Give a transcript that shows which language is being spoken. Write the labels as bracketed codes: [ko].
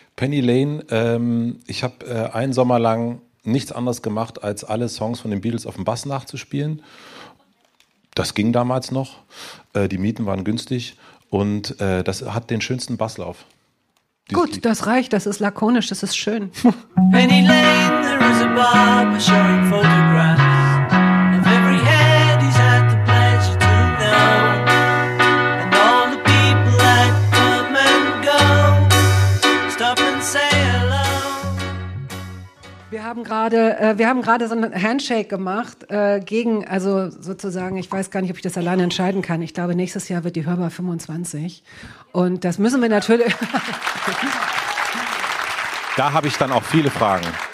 [de] Penny Lane, ich habe einen Sommer lang nichts anderes gemacht, als alle Songs von den Beatles auf dem Bass nachzuspielen. Das ging damals noch, die Mieten waren günstig und das hat den schönsten Basslauf. Gut, das reicht, das ist lakonisch, das ist schön. [en] Penny Lane, there is a barber showing photographs of every head he's had the pleasure to know. And all the people that come and go, stop and say hello. [de] Wir haben gerade so ein Handshake gemacht, gegen, also sozusagen, ich weiß gar nicht, ob ich das alleine entscheiden kann. Ich glaube, nächstes Jahr wird die Hörbar 25. Und das müssen wir natürlich. Da habe ich dann auch viele Fragen.